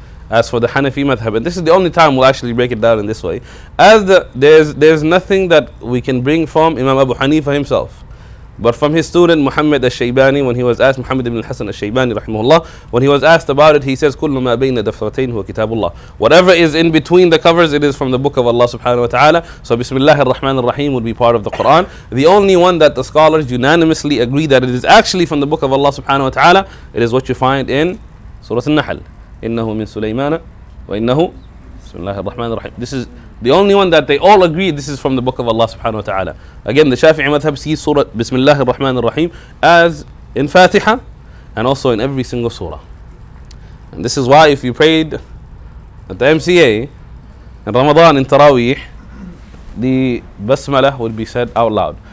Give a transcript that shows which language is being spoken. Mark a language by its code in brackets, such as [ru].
[en] As for the Hanafi Madhab, and this is the only time we'll actually break it down in this way, as there's nothing that we can bring from Imam Abu Hanifa himself, but from his student Muhammad al-Shaybani, when he was asked, Muhammad ibn al-Hasan al-Shaybani, rahimahullah, when he was asked about it, he says, [ar] كُلُّ مَا بَيْنَ دَفْرَتَيْنِ هُوَ كِتَابُ اللَّهِ. [en] Whatever is in between the covers, it is from the book of Allah subhanahu wa ta'ala. So Bismillah ar-Rahman ar-Rahim would be part of the Quran. The only one that the scholars unanimously agree that it is actually from the book of Allah subhanahu wa ta'ala, it is what you find in Surah An-Nahl. [ar] إِنَّهُ مِن سُلَيْمَانَ وَإِنَّهُ Bismillah ar-Rahman ar-Rahim. [en] This is the only one that they all agree this is from the book of Allah subhanahu wa ta'ala. Again, the Shafi'i Madhab sees Surah Bismillah ar-Rahman ar-Rahim as in Fatiha and also in every single surah. And this is why if you prayed at the MCA in Ramadan in Taraweeh, the Basmala would be said out loud.